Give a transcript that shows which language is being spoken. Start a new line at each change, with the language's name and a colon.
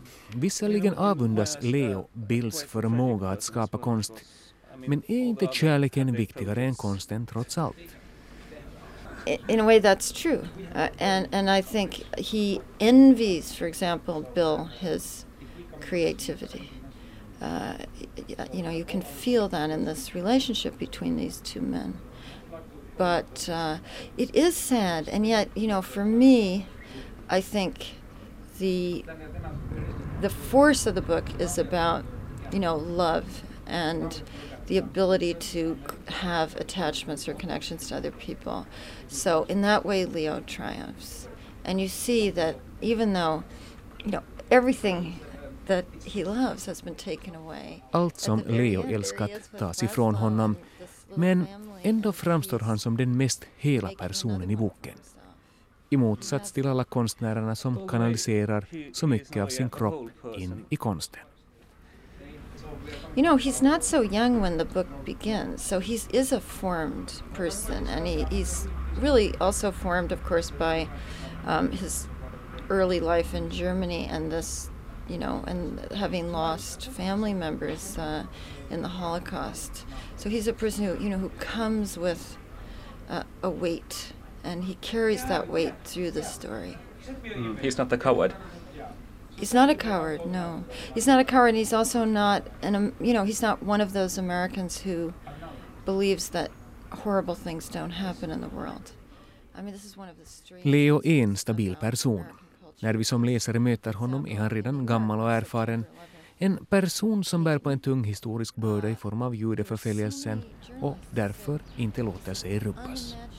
Swedish: Visserligen avundas Leo Bills förmåga att skapa konst, men är inte kärleken viktigare än konsten trots allt?
English: In a way, that's true, and I think he envies, for example, Bill his creativity. You know, you can feel that in this relationship between these two men. But it is sad, and yet, you know, for me, I think the force of the book is about, you know, love and the ability to have attachments or connections to other people. So in that way, Leo triumphs. And you see that even though, you know, everything that he loves has been taken away.
Swedish: Allt som Leo älskat tas ifrån honom, men ändå framstår han som den mest hela personen i boken. I motsats till alla konstnärerna som kanaliserar så mycket av sin kropp in i konsten.
English: You know, he's not so young when the book begins, so he is a formed person, and he's really also formed, of course, by his early life in Germany and this, you know, and having lost family members in the Holocaust. So he's a person who, you know, who comes with a weight, and he carries that weight through the story. He's not the coward. He's not a coward, no. He's not a coward, and he's also not, he's not one of those Americans who believes that horrible things don't happen in the world. I mean, this is one of the strange...
Swedish: Leo är en stabil person. När vi som läsare möter honom är han redan gammal och erfaren. En person som bär på en tung historisk börda i form av judeförföljelsen och därför inte låter sig rubbas.